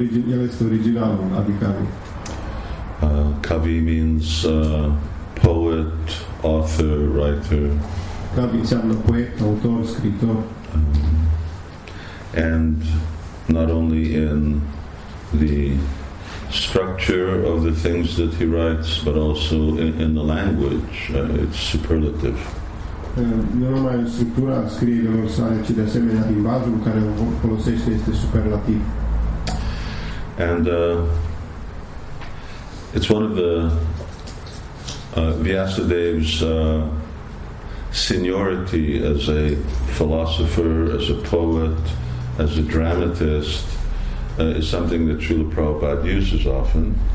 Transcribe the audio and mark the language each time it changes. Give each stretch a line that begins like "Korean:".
Romanian: El este originalul Adi Kavi.
English: Kavi means poet, author, writer.
Romanian: Kavi înseamnă poet, autor, scriitor.
English: And not only in the structure of the things that he writes, but also in the language. It's superlative.
Romanian: Nu numai în structura scrierilor sale, ci de asemenea limbajul care o folosește este superlativ.
English: And it's one of the Vyasadeva's seniority as a philosopher, as a poet, as a dramatist is something that Srila Prabhupada uses often.